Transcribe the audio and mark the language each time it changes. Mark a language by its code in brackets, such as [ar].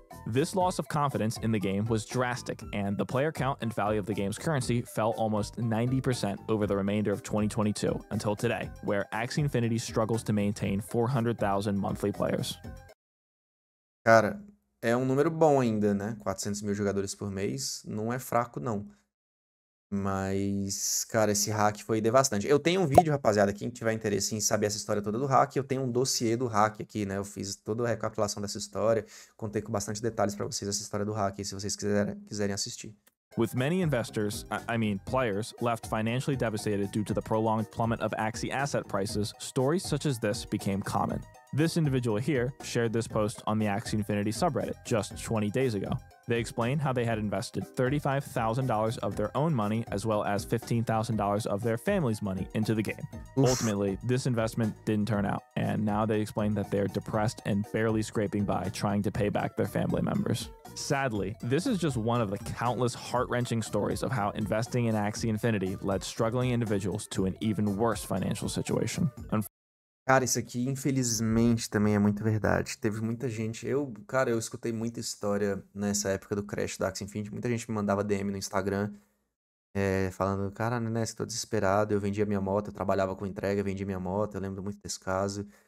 [en] This loss of confidence in the game was drastic, and the player count and value of the game's currency fell almost 90% over the remainder of 2022 until today, where Axie Infinity struggles to maintain 400,000 monthly players. [pt] Cara, é um número bom ainda, né? 400 mil jogadores por mês não é fraco, não. Mas, cara, esse hack foi devastante. Eu tenho um vídeo, rapaziada, quem tiver interesse em saber essa história toda do hack, eu tenho um dossiê do hack aqui, né? Eu fiz toda a recapitulação dessa história, contei com bastante detalhes pra vocês essa história do hack, se vocês quiserem assistir. [en] With many investors, I mean players, left financially devastated due to the prolonged plummet of Axie asset prices, stories such as this became common. This individual here shared this post on the Axie Infinity subreddit just 20 days ago. They explained how they had invested $35,000 of their own money as well as $15,000 of their family's money into the game. Oof. Ultimately, this investment didn't turn out, and now they explain that they're depressed and barely scraping by trying to pay back their family members. Sadly, this is just one of the countless heart-wrenching stories of how investing in Axie Infinity led struggling individuals to an even worse financial situation. [pt] Cara, isso aqui, infelizmente, também é muito verdade. Teve muita gente... Eu escutei muita história nessa época do crash da Axie Infinity. Muita gente me mandava DM no Instagram falando, cara, Nenesk, tô desesperado. Eu vendia minha moto, eu trabalhava com entrega, vendia minha moto. Eu lembro muito desse caso.